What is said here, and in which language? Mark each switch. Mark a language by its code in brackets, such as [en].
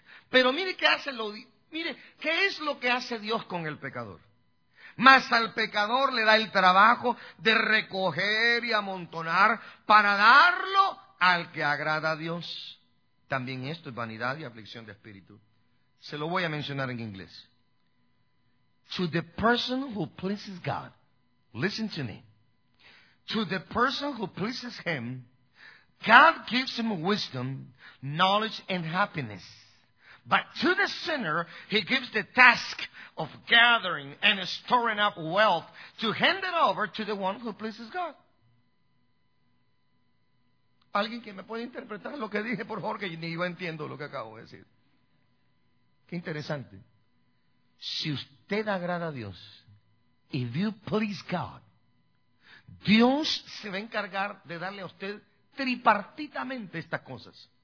[es] Pero mire qué hace, mire, ¿qué es lo que hace Dios con el pecador? Mas al pecador le da el trabajo de recoger y amontonar para darlo al que agrada a Dios. También esto es vanidad y aflicción de espíritu. Se lo voy a mencionar en inglés. [en] To the person who pleases God, listen to me. To the person who pleases Him, God gives him wisdom, knowledge, and happiness. But to the sinner, He gives the task of gathering and storing up wealth to hand it over to the one who pleases God. [es] ¿Alguien que me puede interpretar lo que dije, por favor, que ni yo entiendo lo que acabo de decir? Qué interesante. Si usted agrada a Dios, [en] if you please God, [es] Dios se va a encargar de darle a usted tripartitamente estas cosas.